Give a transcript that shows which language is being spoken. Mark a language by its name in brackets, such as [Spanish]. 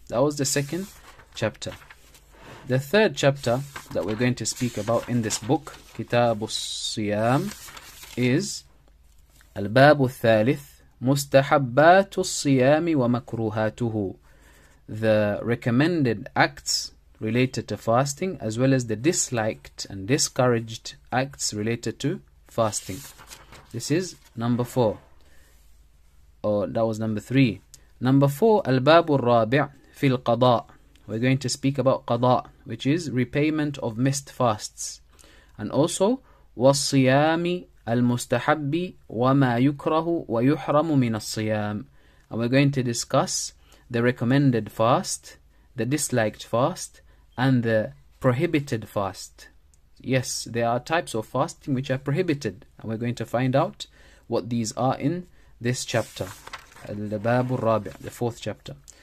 [English] That was the second chapter. The third chapter that we're going to speak about in this book, كتاب الصيام, is [Arabic] الباب الثالث مستحبات الصيام ومكروهاته. [English] The recommended acts related to fasting as well as the disliked and discouraged acts related to fasting. This is number four. Oh, that was number three. Number four, [Arabic] الباب الرابع في القضاء. [English] We're going to speak about قضاء, which is repayment of missed fasts. And also, [Arabic] والصيام المستحب وما يكره ويحرم من الصيام. [English] And we're going to discuss the recommended fast, the disliked fast, and the prohibited fast. Yes, there are types of fasting which are prohibited. And we're going to find out what these are in this chapter, الباب الرابع, the fourth chapter.